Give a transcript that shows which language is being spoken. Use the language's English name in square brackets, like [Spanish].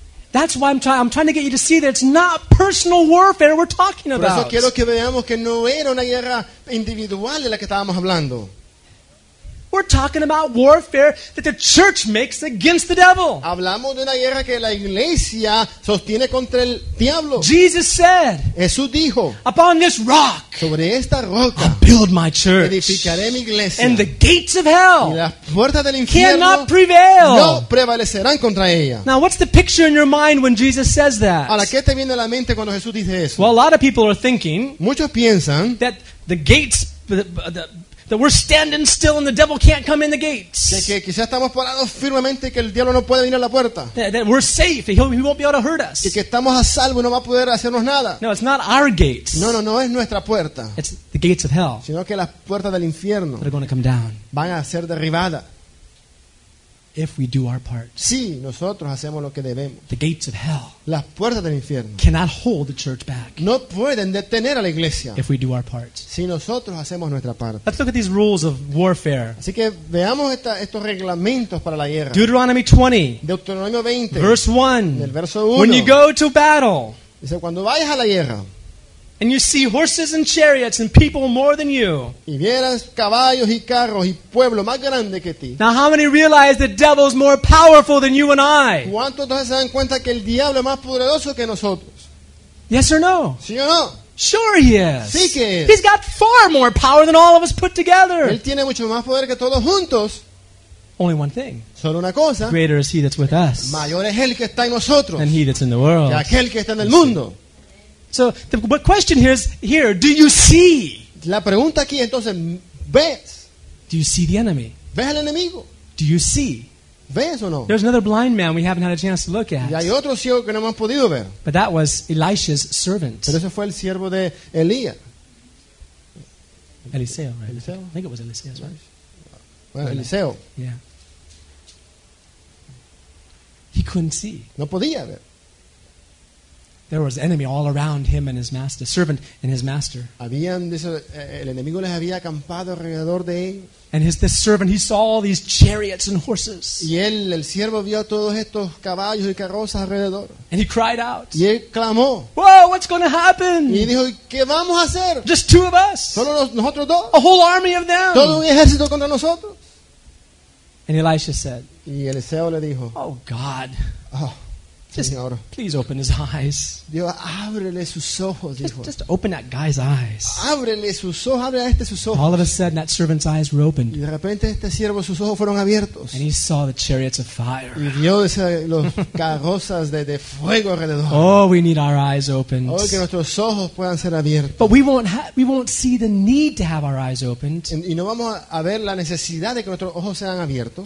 [English] That's why I'm trying to get you to see that it's not personal warfare we're talking about. [Spanish] Por eso quiero que veamos que no era una guerra individual de la que estábamos hablando. [English] We're talking about warfare that the church makes against the devil. [Spanish] Hablamos de una guerra que la iglesia sostiene contra el diablo. [English] Jesus said, [Spanish] Jesús dijo, [English] upon this rock, [Spanish] sobre esta roca, [English] I'll build my church. [Spanish] Edificaré mi iglesia. [English] And the gates of hell [Spanish] y las puertas del infierno [English] cannot prevail. [Spanish] No prevalecerán contra ella. [English] Now, what's the picture in your mind when Jesus says that? [Spanish] Ahora, ¿qué te viene a la mente cuando Jesús dice eso? [English] Well, a lot of people are thinking, [Spanish] muchos piensan, [English] that the gates, that we're standing still and the devil can't come in the gates. [Spanish] Que quizás estamos parados firmemente y que el diablo no puede venir a la puerta. [English] That we're safe, he won't be able to hurt us. [Spanish] Que estamos a salvo y no va a poder hacernos nada. [English] No, it's not our gates. [Spanish] No, no, no es nuestra puerta. [English] It's the gates of hell. [Spanish] Sino que las puertas del infierno [English] that are going to come down. [Spanish] Van a ser derribadas. [English] if we do our part. [Spanish] Si nosotros hacemos lo que debemos. [English] The gates of hell, [Spanish] las puertas del infierno, [English] cannot hold the church back. [Spanish] No pueden detener a la iglesia. [English] If we do our part. [Spanish] Si nosotros hacemos nuestra parte. [English] Let's look at these rules of warfare. [Spanish] Así que veamos estos reglamentos para la guerra. [English] Deuteronomy 20. [Spanish] Deuteronomio 20. [English] Verse 1. [Spanish] Del verso 1. [English] When you go to battle. [Spanish] Dice, cuando vayas a la guerra. [English] And you see horses and chariots and people more than you. [Spanish] Y vieras caballos y carros y pueblo más grande que ti. [English] Now how many realize the devil is more powerful than you and I? [Spanish] ¿Cuántos de ustedes se dan cuenta que el diablo es más poderoso que nosotros? [English] Yes or no? [Spanish] ¿Sí o no? [English] Sure he is. [Spanish] Sí que es. [English] He's got far more power than all of us put together. [Spanish] Él tiene mucho más poder que todos juntos. [English] Only one thing. [Spanish] Solo una cosa. [English] Greater is he that's with us. [Spanish] Mayor es el que está en nosotros. [English] Than he that's in the world. [Spanish] Que aquel que está en el mundo. [English] So the question here is, here, do you see? [Spanish] La pregunta aquí entonces, ¿ves? [English] Do you see the enemy? [Spanish] ¿Ves al enemigo? [English] Do you see? [Spanish] ¿Ves o no? [English] There's another blind man we haven't had a chance to look at. [Spanish] Y hay otro ciego que no hemos podido ver. [English] But that was Elisha's servant. [Spanish] Pero ese fue el siervo de Elías. [English] Eliseo, right? [Spanish] Eliseo? [English] I think it was Eliseo, right? [Spanish] Bueno, Eliseo. [English] Yeah. He couldn't see. [Spanish] No podía ver. [English] There was enemy all around him and his master, servant and his master. [Spanish] Habían, el enemigo les había acampado alrededor de ellos. [English] And this servant, he saw all these chariots and horses. [Spanish] Y él, el siervo, vio todos estos caballos y carrozas alrededor. [English] And he cried out. [Spanish] Y él clamó. [English] Whoa, what's going to happen? [Spanish] Y dijo, ¿qué vamos a hacer? [English] Just two of us. [Spanish] Solo nosotros dos. [English] A whole army of them. [Spanish] Todo un ejército contra nosotros. [English] And Elisha said. [Spanish] Y Eliseo le dijo. [English] Oh God. Oh. Just, please open his eyes. [Spanish] Dios, ábrele sus ojos, dijo. [English] Just open that guy's eyes. [Spanish] Ábrele sus ojos, ábrele a este sus ojos. [English] All of a sudden, that servant's eyes were opened. [Spanish] Y de repente, este siervo, sus ojos fueron abiertos. [English] And he saw the chariots of fire. [Spanish] Y vio los carrozas de fuego alrededor. [English] Oh, we need our eyes opened. [Spanish] Oh, que nuestros ojos puedan ser abiertos. [English] But we won't see the need to have our eyes opened. [Spanish] Y no vamos a ver la necesidad de que nuestros ojos sean abiertos.